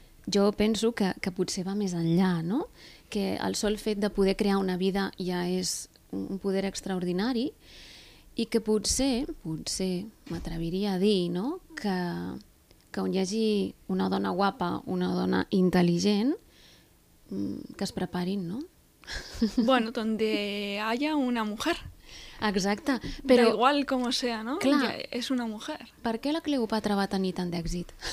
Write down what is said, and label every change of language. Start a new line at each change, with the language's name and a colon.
Catalan: Jo penso que potser va més enllà, no? Que el sol fet de poder crear una vida ja és un poder extraordinari i que potser m'atreviria a dir, no? Que on hi hagi una dona guapa, una dona intel·ligent, que es preparin, no?
Spanish: Bueno, donde haya una mujer.
Catalan: Exacte. Però,
Spanish: da igual como sea, no?
Catalan: Clar, ja és
Spanish: una mujer.
Catalan: Per què la Cleopatra va tenir tant d'èxit?